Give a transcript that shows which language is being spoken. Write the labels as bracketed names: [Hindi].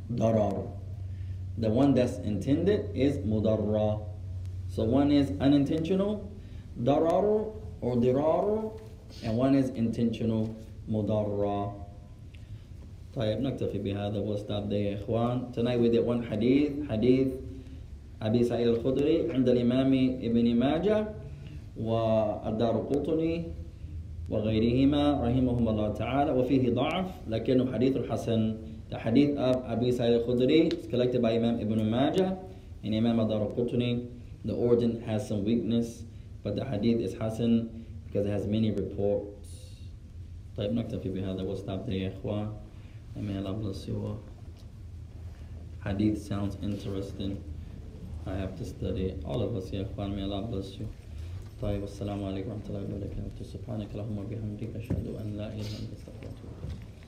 [Arabic] ضَرَار. [English] The one that's intended is مُضَرَّا. So one is unintentional, ضَرَار. Or ضرار, and one is intentional, مضرر. [Arabic] طيب نكتفي بهذا. [English] We'll stop there, إخوان. Tonight we did one hadith, hadith [Arabic] أبي سعيد الخدري عند الإمام ابن ماجه والدارقطني وغيرهما رحمهم الله تعالى. وفيه ضعف لكنه حديث حسن. [English] The hadith of أبي سعيد الخدري is collected by Imam ابن ماجه and Imam الدارقطني. The origin has some weakness, but the hadith is hasan because it has many reports. [Arabic] طيب نكتفي بهذا. [English] We'll stop there, إخوان. And may Allah bless you all. Hadith sounds interesting. I have to study all of us, [Arabic] يا إخوان. [English] May Allah bless you. [Arabic] طيب السلام عليكم ورحمة الله وبركاته. سبحانك اللهم وبحمدك أشهد أن لا إله إلا أنت أستغفرك وأتوب إليك.